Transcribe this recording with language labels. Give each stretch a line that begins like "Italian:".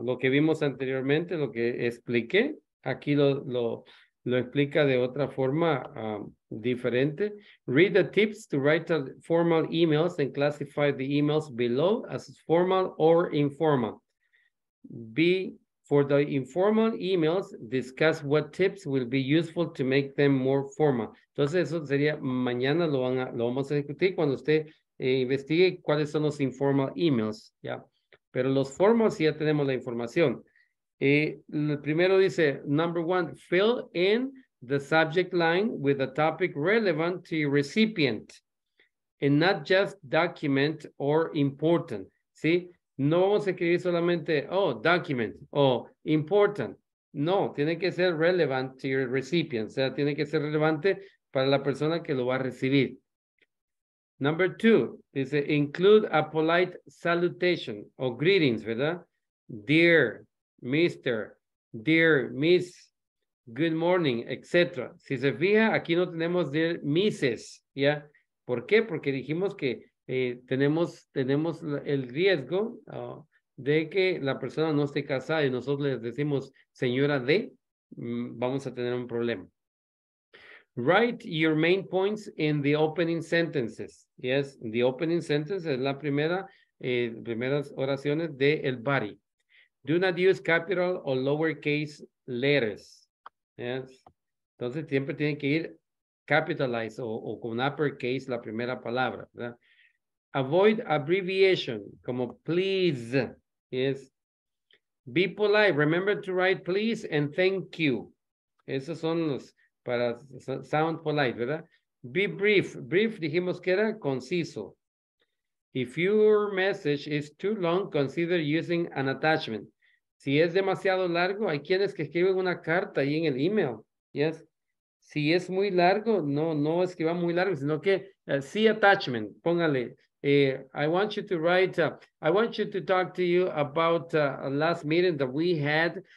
Spanish: Lo que vimos anteriormente, lo que expliqué, aquí lo explica de otra forma diferente.
English: Read the tips to write a formal emails and classify the emails below as formal or informal. B, for the informal emails, discuss what tips will be useful to make them more formal.
Spanish: Entonces, eso sería mañana lo vamos a discutir cuando usted investigue cuáles son los informal emails. Ya. Yeah. Pero los formals ya tenemos la información. El primero dice,
English: number one, fill in the subject line with a topic relevant to your recipient and not just document or important.
Spanish: ¿Sí? No vamos a escribir solamente, oh, document o important. No, tiene que ser
English: relevant to your recipient.
Spanish: O sea, tiene que ser relevante para la persona que lo va a recibir.
English: Number two, dice, include a polite salutation or greetings, ¿verdad? Dear, Mr., dear, Miss, good morning, etc.
Spanish: Si se fija, aquí no tenemos dear, Mrs., ¿ya? ¿Por qué? Porque dijimos que tenemos el riesgo de que la persona no esté casada y nosotros les decimos señora de, vamos a tener un problema.
English: Write your main points in the opening sentences. Yes, the opening sentence
Spanish: es la primera, primeras oraciones de el body.
English: Do not use capital or lowercase letters.
Spanish: Yes, entonces siempre tiene que ir capitalized o con uppercase la primera palabra, ¿verdad?
English: Avoid abbreviation, como please. Yes, be polite. Remember to write please and thank you.
Spanish: Esos son los para
English: sound polite,
Spanish: ¿verdad?
English: Be brief.
Spanish: Brief, dijimos que era conciso.
English: If your message is too long, consider using an attachment.
Spanish: Si es demasiado largo, hay quienes que escriben una carta ahí en el email. Yes. Si es muy largo, no escriba muy largo, sino que
English: see attachment. Póngale, I want you to write, I want you to talk to you about a last meeting that we had.